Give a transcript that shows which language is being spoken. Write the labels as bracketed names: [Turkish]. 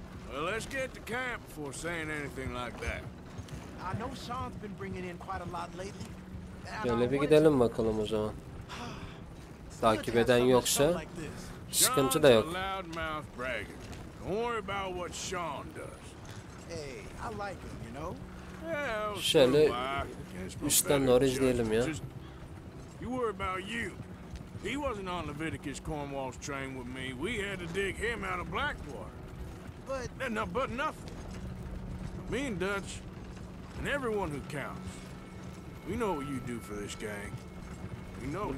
[English] Well, let's get to camp before saying anything like that. I know Sean's been bringing in quite a lot lately. [Turkish] Şöyle bir gidelim bakalım o zaman. Takip eden yoksa sıkıntı da yok. [English] Don't worry about what Sean does. Hey, I like him, you know. [Turkish] Şöyle üstten doğru izleyelim ya. [English] You worry about you. He wasn't on Leviticus Cornwall's train with me. We had to dig him out of Blackwater. But no, but nothing. Me and Dutch, and everyone who counts. We know what you do for this gang. We know.